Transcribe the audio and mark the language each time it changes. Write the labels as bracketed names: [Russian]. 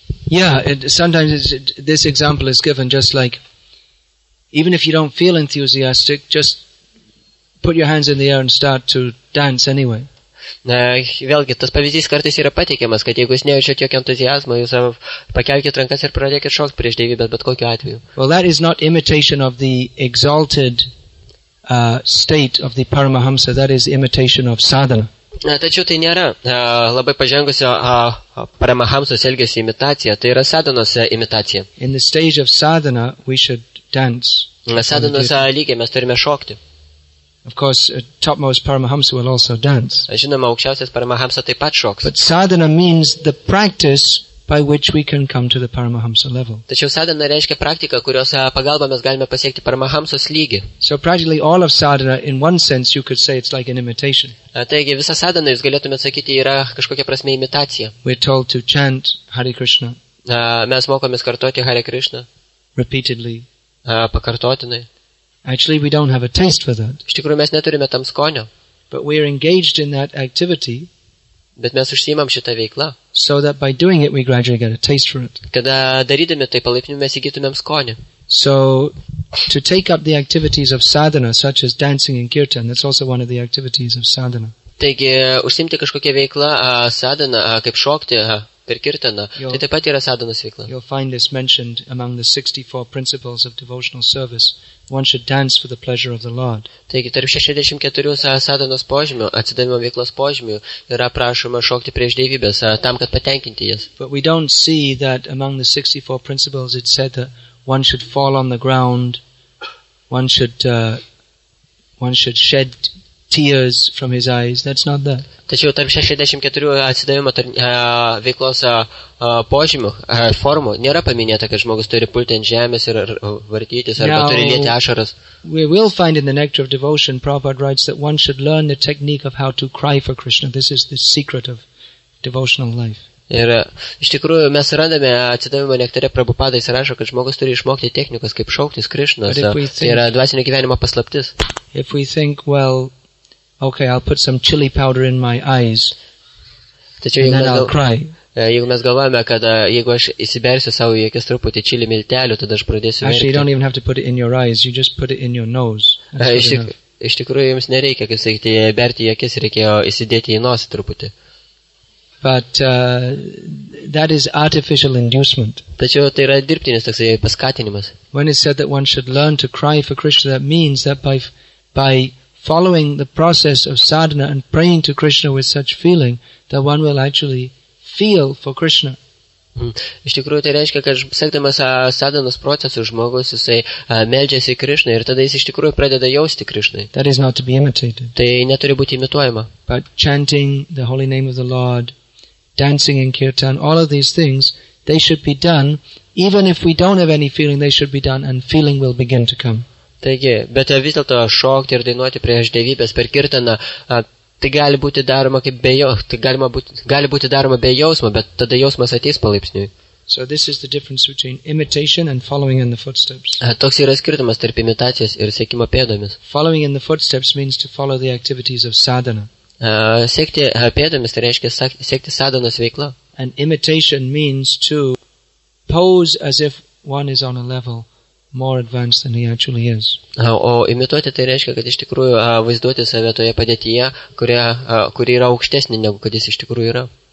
[English] Yeah, sometimes this example is given just like, even if you don't feel enthusiastic, just put your hands in the air and start to dance anyway. [Lithuanian] Vėlgi, tas pavyzdys kartais yra pateikiamas, kad jeigu jūs nejaučiat jokio entuziazmo, jūs pakelkite rankas ir pradėkite šokti prieš dievybę, bet kokiu atveju. [English] Well, that is not imitation of the exalted state of the Paramahamsa, that is imitation of sadhana. [Lithuanian] Tačiau tai nėra labai pažengusio Paramahamsos elgesio imitacija, tai yra sadhanos imitacija. [English] In the stage of sadhana, we should dance. [Lithuanian] Sadhanos lygiai mes turime šokti. [English] Of course, topmost Paramahamsa will also dance. [Lithuanian] Žinoma, aukščiausias Paramahamsa taip pat šoks. [English] But sadhana means the practice by which we can come to the Paramahamsa level. [Lithuanian] Tačiau sadhana reiškia praktiką, kurios pagalba mes galime pasiekti Paramahamsos lygį. [English] So practically all of sadhana, in one sense, you could say it's like an imitation. [Lithuanian] Taigi, visa sadhana, jūs galėtume sakyti, yra kažkokia prasme imitacija. [English] We're told to chant Hare Krishna. [Lithuanian] Mes mokomės kartoti Hare Krishna. [English] Repeatedly. [Lithuanian] Pakartotinai. [English] Actually, we don't have a taste for that. [Lithuanian] Iš tikrųjų, mes neturime tam skonio. [English] But we are engaged in that activity. [Lithuanian] Bet mes užsiimam šitą veiklą. [English] So that by doing it, we gradually get a taste for it. [Lithuanian] Kada darydami tai palaipsniui, mes įgytumėm skonį. [English] So, to take up the activities of sadhana, such as dancing and kirtan, that's also one of the activities of sadhana. [Lithuanian] Taigi, užsiimti kažkokią veiklą sadhana, kaip šokti per kirtaną, tai taip pat yra sadhanos veikla. [English] You'll find this mentioned among the 64 principles of devotional service. One should dance for the pleasure of the Lord. [Lithuanian] Taigi, tarp 64 sadhanos požymių, atsidavimo veiklos požymių, yra prašoma šokti prieš dievybės, tam, kad patenkinti jas. [English] But we don't see that among the 64 principles it said that one should fall on the ground, one should shed tears from his eyes. That's not that. [Lithuanian] Tačiau tarp 64 atsidavimo veiklos požymių formų nėra paminėta, kad žmogus turi pulti ant žemės ir vartytis arba turi lieti ašaras. [English] We will find in the Nectar of Devotion, Prabhupada writes that one should learn the technique of how to cry for Krishna. This is the secret of devotional life. [Lithuanian] Ir iš tikrųjų mes randame atsidavimo nektare Prabhupada įsirašo, kad žmogus turi išmokti technikas, kaip šauktis Krishna. Tai yra dvasinio gyvenimo paslaptis. [English] If we think, well, okay, I'll put some chili powder in my eyes. [Lithuanian] Tačiau, [English] and then I'll cry. [Lithuanian] Jeigu mes galvojame, kad jeigu aš įsibersiu savo į akis truputį chili miltelių, tada aš pradėsiu verkti. [English] Actually, you don't even have to put it in your eyes. You just put it in your nose. [Lithuanian] Iš tikrųjų, jums nereikia, kaip sakyti, berti į akis, reikėjo įsidėti į nosį truputį. [English] But that is artificial inducement. [Lithuanian] Tačiau tai yra dirbtinis toksai paskatinimas. [English] When it said that one should learn to cry for Krishna, that means that by following the process of sadhana and praying to Krishna with such feeling that one will actually feel for Krishna. [Lithuanian] Iš tikrųjų, tai reiškia, kad sekdamas sadhanos procesu žmogus, jisai meldžiasi Krishna ir tada jis iš tikrųjų pradeda jausti Krishna. [English] That is not to be imitated. [Lithuanian] Tai neturi būti imituojama. [English] But chanting the holy name of the Lord, dancing in kirtan, all of these things, they should be done, even if we don't have any feeling, they should be done and feeling will begin to come. [Lithuanian] Taigi, bet vis dėlto šokti ir dainuoti prieš dievybės per kirtaną, tai gali būti daroma kaip be jausmo, gali būti daroma be jausmo, bet tada jausmas ateis palaipsniui. [English] So this is the difference between imitation and following in the footsteps. [Lithuanian] Toks yra skirtumas tarp imitacijos ir sekimo pėdomis. [English] Following in the footsteps means to follow the activities of sadhana. [Lithuanian] Sekti pėdomis tai reiškia sekti sadhanos veiklą. [English] And imitation means to pose as if one is on a level more advanced than he actually is. [Lithuanian] O imituoti tai reiškia, kad iš tikrųjų vaizduoti save toje padėtyje, kuri yra aukštesnė negu kad jis iš tikrųjų yra.